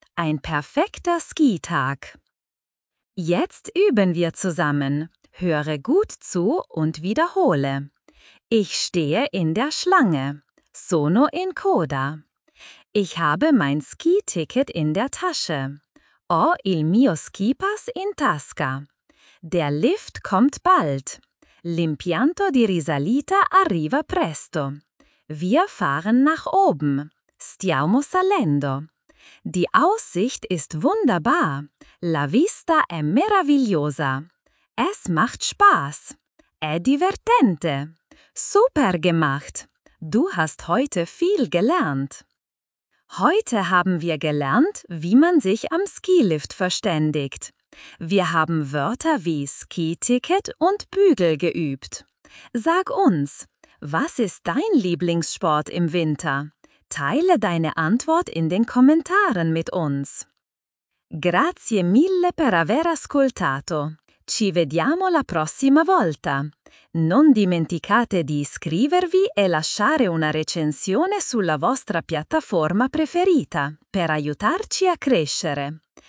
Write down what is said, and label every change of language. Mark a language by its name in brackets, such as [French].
[German] Ein perfekter Skitag. Jetzt üben wir zusammen. Höre gut zu und wiederhole. Ich stehe in der Schlange. [Italian] Sono in coda. [German] Ich habe mein Skiticket in der Tasche. [Italian] Ho il mio skipass in tasca. [German] Der Lift kommt bald. [Italian] L'impianto di risalita arriva presto. [German] Wir fahren nach oben. [Italian] Stiamo salendo. [German] Die Aussicht ist wunderbar. [Italian] La vista è meravigliosa. [German] Es macht Spaß. [Italian] È divertente. [German] Super gemacht. Du hast heute viel gelernt. Heute haben wir gelernt, wie man sich am Skilift verständigt. Wir haben Wörter wie Skiticket und Bügel geübt. Sag uns, was ist dein Lieblingssport im Winter? Teile deine Antwort in den Kommentaren mit uns. [Italian] Grazie mille per aver ascoltato. Ci vediamo la prossima volta. Non dimenticate di iscrivervi e lasciare una recensione sulla vostra piattaforma preferita per aiutarci a crescere.